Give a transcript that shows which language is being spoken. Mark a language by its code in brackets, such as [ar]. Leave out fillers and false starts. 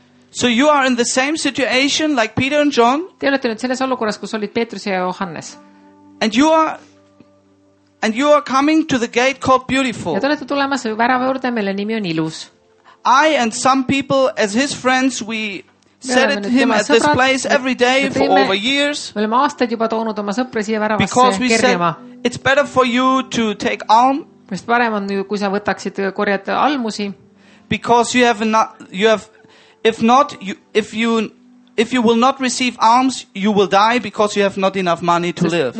[en] So you are in the same situation like Peter and John? [et] Te olete nüüd selles olukorras, kus olid Peetrus ja Johannes. [en] And you are coming to the gate called Beautiful. [et] Ja te olete tulemas värava juurde, mille nimi on Ilus. [en] I and some people as his friends we said it to him at this place every day for over years. [et] Me oleme aastaid juba toonud oma sõpre siia väravasse. [en] Because we said it's better for you to take alm. [et] Sest parem on, kui sa võtaksid korjata almusi. [en] Because if you will not receive alms, you will die because you have not enough money to live.